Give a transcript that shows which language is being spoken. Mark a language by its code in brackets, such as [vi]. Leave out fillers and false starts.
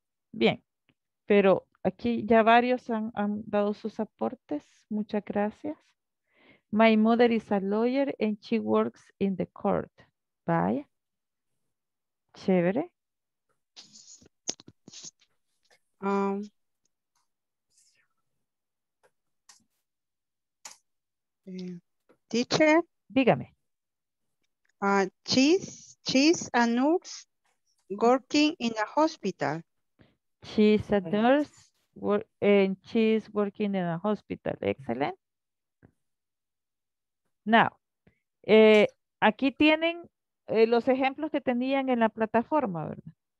[es] Bien, pero aquí ya varios han dado sus aportes. Muchas gracias. [en] My mother is a lawyer and she works in the court. [es] Bye. Chévere. [en] Teacher, [es] dígame. [en] She's a nurse working in a hospital. She's a nurse and she's working in a hospital. Excellent. [es] Now, aquí tienen los ejemplos que tenían en la plataforma, ¿verdad?